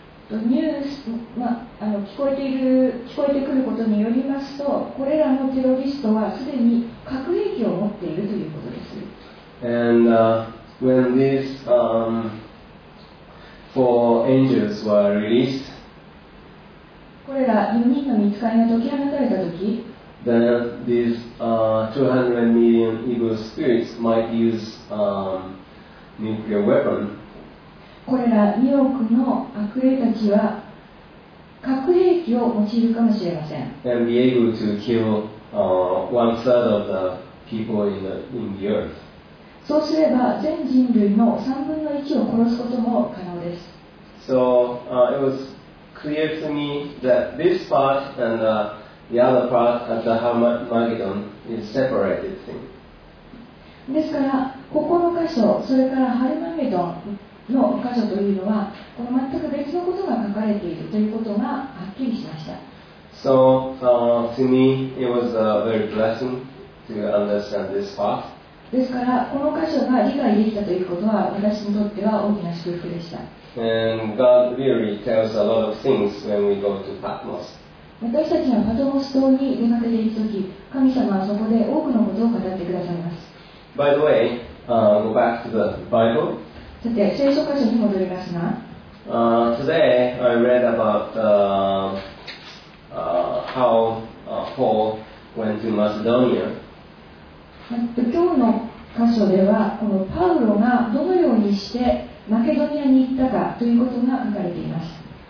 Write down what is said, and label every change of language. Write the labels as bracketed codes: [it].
[ja] ニュース、まあ、聞こえてくることによりますと、これらのテロリストはすでに核兵器を持っているということです。 [en] And when these four angels were released, [ja] これら4人の見つかりが解き放たれたとき、 [en] then these 200 million evil spirits might use nuclear weapon. [ja] これら2億の悪霊たちは核兵器を用いるかもしれません。 [en] And be able to kill one third of the people in the earth. [ja] そうすれば全人類の3分の1を殺すことも可能です。 [en] So it was clear to me that this part and the other part at the Armageddon is separated thing. [ja] ですからここの箇所それからハルマゲドンの箇所というのはこの全く別のことが書かれているということがはっきりしました。 [en] So, to me, it was a very blessing to understand this part. [ja] ですからこの箇所が理解できたということは私にとっては大きな祝福でした。 [en] And God really tells a lot of things when we go to Patmos. [ja] 私たちがパトモス島に出かけているとき、神様はそこで多くのことを語ってくださいます。 [en] By the way, go back to the Bible. [ja] さて、聖書箇所に戻りますが、 [en] Today I read about how Paul went to Macedonia. [ja] 今日の箇所では、このパウロがどのようにしてマケドニアに行ったかということが書かれています。